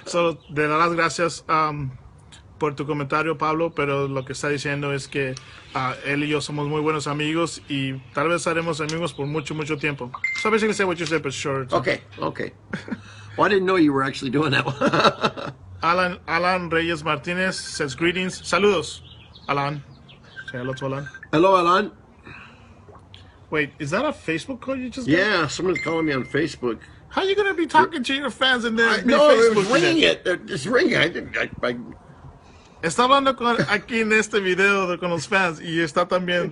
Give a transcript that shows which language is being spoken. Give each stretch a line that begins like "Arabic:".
Spanish: So, de las gracias por tu comentario, Pablo, pero lo que está diciendo es que él y yo somos muy buenos amigos y tal vez haremos amigos por mucho, mucho tiempo.
English: So basically say what you said, but sure. Okay. Well, I didn't know you were actually doing that one. Alan Reyes Martinez says greetings.
Spanish: Saludos, Alan.
English: Say hello to Alan. Hello, Alan. Wait, is that a Facebook call you just Yeah, got? Someone's calling me on Facebook. How are you going to be talking to your fans in there? No, Facebook it was ringing it. It's ringing. I
Spanish: está hablando con, aquí en este video de, con los fans y está también